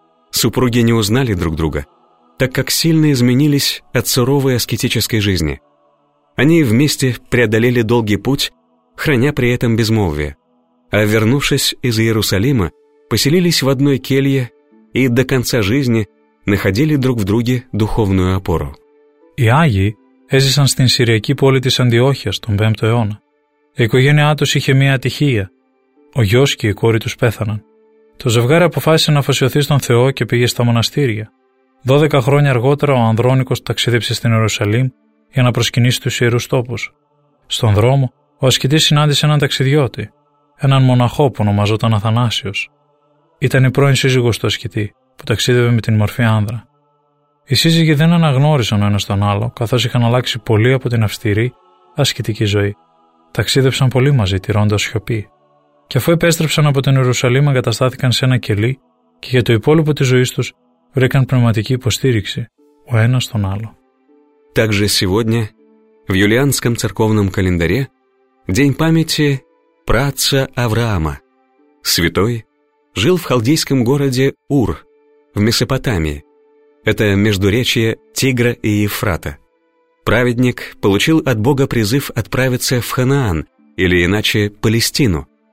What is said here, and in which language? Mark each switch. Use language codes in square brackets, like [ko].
[ru] Супруги не узнали друг друга, так как сильно изменились от суровой аскетической жизни. Они вместе преодолели долгий путь, храня при этом безмолвие. А вернувшись из Иерусалима, поселились в одной келье и до конца жизни находили друг в друге духовную опору. [el] Οι Άγιοι έζησαν στην Συριακή πόλη της Αντιόχειας τον 5ο αιώνα. Η οικογένειά τους είχε μία ατυχία. Ο γιος και η κόρη τους πέθαναν. Το ζευγάρι αποφάσισε να αφοσιωθεί στον Θεό και πήγε στα μοναστήρια. 12 χρόνια αργότερα ο Ανδρόνικος ταξίδεψε στην Ιερουσαλήμ για να προσκυνήσει τους ιερούς τόπους. Στον δρόμο, ο ασκητής συνάντησε έναν ταξιδιώτη, έναν μοναχό που ονομαζόταν Αθανάσιος. Ήταν η πρώην σύζυγος του ασκητή, που ταξίδευε με την μορφή άνδρα. Οι σύζυγοι δεν αναγνώρισαν ο ένας τον άλλο, καθώς είχαν αλλάξει πολύ από την αυστηρή, ασκητική ζωή. Ταξίδεψαν πολύ μαζί, τηρώντας σιωπή. Και αφού επέστρεψαν από την Ιερουσαλήμ, εγκαταστάθηκαν σε ένα κελί και για το υπόλοιπο της ζωής τους βρήκαν πνευματική υποστήριξη ο ένας τον άλλο. [ru] Также сегодня в юлианском церковном календаре день памяти праотца Авраама. Святой жил в халдейском городе Ур в Месопотамии. Это междуречье Тигра и Евфрата. Праведник получил от Бога призыв отправиться в Ханаан, или иначе Палестину.